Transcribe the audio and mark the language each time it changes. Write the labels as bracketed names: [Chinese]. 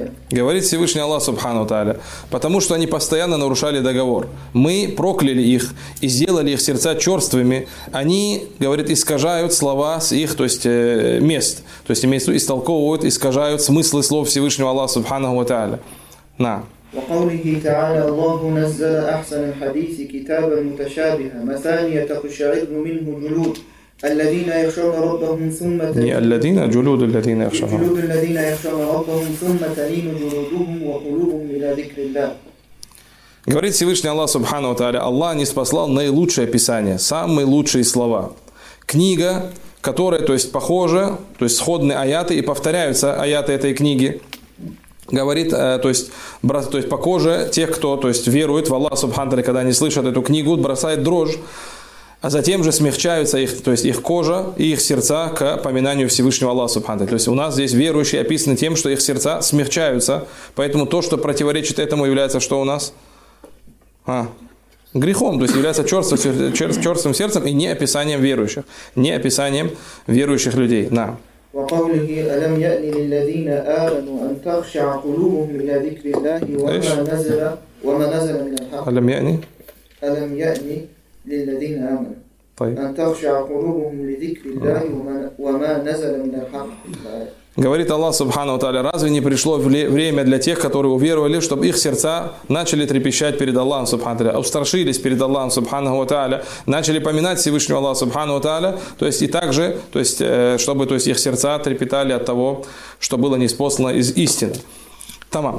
[Russian] Говорит Всевышний Аллах Субхану Тааля: «Потому что они постоянно нарушали договор. Мы прокляли их и сделали их сердца черствыми. Они, говорит, искажают слова с их, то есть, мест». То есть, имеется в виду, истолковывают, искажают смыслы слов Всевышнего Аллаха Субхану Тааля. На. [Arabic] وقوله تعالى الله نزل أحسن الحديث كتابا متشابها مثانية تقشعر منه الجلود الذين يخشون ربهم ثم الذين جلود الذين يخشون جلود الذين يخشون ربهم ثم تلين جلودهم وقلوبهم إلى ذكر الله. [Russian] Говорит Всевышний Аллах Субхану Тааля: Аллах ниспослал наилучшее писание, самые лучшие слова, книга, которая, то есть, похожа, то есть сходны аяты и повторяются аяты этой книги. Говорит, то есть, брат, то есть, по коже тех, кто, то есть, верует в Аллах Субхану Тааля, когда они слышат эту книгу, бросает дрожь, а затем же смягчаются их, то есть, их кожа и их сердца к поминанию Всевышнего Аллаха Субхану Тааля. То есть у нас здесь верующие описаны тем, что их сердца смягчаются. Поэтому то, что противоречит этому, является что у нас? Грехом, то есть является черствым сердцем и не описанием верующих. Не описанием верующих людей. На. [Arabic] وقوله ألم يأن للذين آمنوا أن تخشع قلوبهم إلى ذكر الله وما نزل من الحق ألم يأن للذين آمنوا طيب. أن تخشع قلوبهم لذكر الله وما نزل من الحق [Russian] Говорит Аллах Субхану Тааля: разве не пришло время для тех, которые уверовали, чтобы их сердца начали трепещать перед Аллахом Субхану Тааля, устрашились перед Аллахом Субхану Тааля, начали поминать Всевышнего Аллаха Субхану Тааля, то есть и также, то есть, чтобы, то есть, их сердца трепетали от того, что было ниспослано из истины. Тамам.